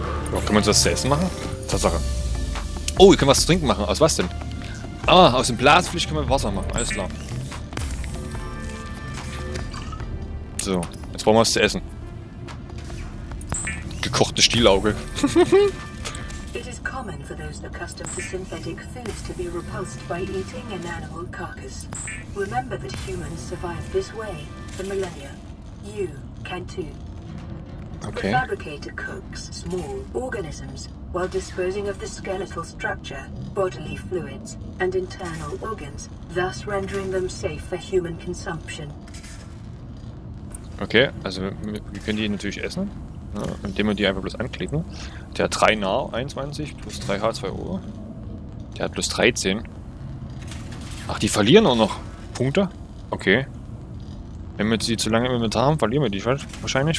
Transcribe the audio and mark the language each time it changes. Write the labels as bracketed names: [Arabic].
[German] Oh, können wir uns was zu essen machen? Tatsache. Oh, wir können was zu trinken machen. Aus was denn? Ah, aus dem Blasenfisch können wir Wasser machen. Alles klar. So, jetzt brauchen wir was zu essen. Gekochte Stielauge. [English] It is common for those accustomed to synthetic foods to be repulsed by eating an animal carcass. Remember that humans survived this way for millennia. You can too. Okay. The fabricator cooks small organisms while disposing of the skeletal structure, bodily fluids, and internal organs, thus rendering them safe for human consumption. [German] Okay, also wir können die natürlich essen. Ja, indem wir die einfach bloß anklicken. Der hat 3 Nahr, 21, plus 3 H2O. Der hat plus 13. Ach, die verlieren auch noch Punkte? Okay. Wenn wir sie zu lange im Inventar haben, verlieren wir die wahrscheinlich.